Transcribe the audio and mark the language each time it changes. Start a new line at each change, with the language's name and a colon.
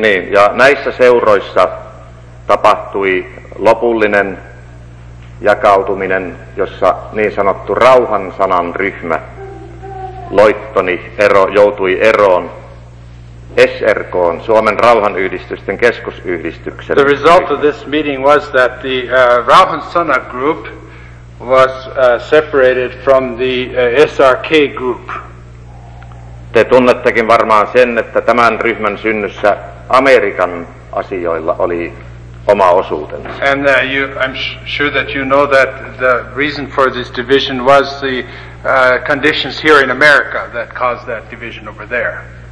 Finnish: Ja näissä seuroissa tapahtui lopullinen jakautuminen, jossa niin sanottu rauhan sanan ryhmä Loittoni joutui eroon SRK:n, Suomen rauhanyhdistysten keskusyhdistyksen.
English: The result of this meeting was that the Rauhan Sana group was separated from the SRK group.
Finnish: Te tunnettekin varmaan sen, että tämän ryhmän synnyssä Amerikan asioilla oli oma osuutensa.
English: And I'm sure that you know that the reason for this division was the conditions here in America that caused that division over there.